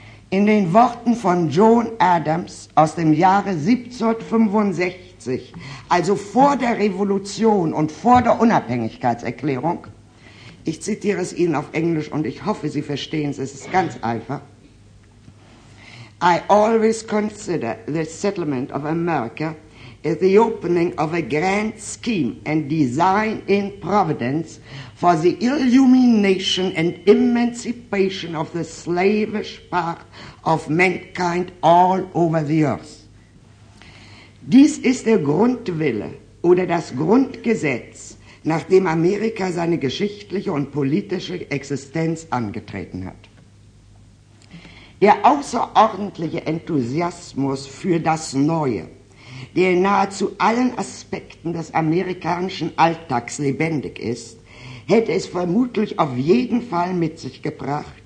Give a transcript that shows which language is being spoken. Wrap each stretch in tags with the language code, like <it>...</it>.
<de>In den Worten von John Adams aus dem Jahre 1765, also vor der Revolution und vor der Unabhängigkeitserklärung, ich zitiere es Ihnen auf Englisch und ich hoffe, Sie verstehen es, es ist ganz einfach.</de> <en>I always consider the settlement of America is the opening of a grand scheme and design in Providence for the illumination and emancipation of the slavish part of mankind all over the earth.</en> <de>Dies ist der Grundwille oder das Grundgesetz, nach dem Amerika seine geschichtliche und politische Existenz angetreten hat. Der außerordentliche Enthusiasmus für das Neue, der nahezu allen Aspekten des amerikanischen Alltags lebendig ist, hätte es vermutlich auf jeden Fall mit sich gebracht,</de>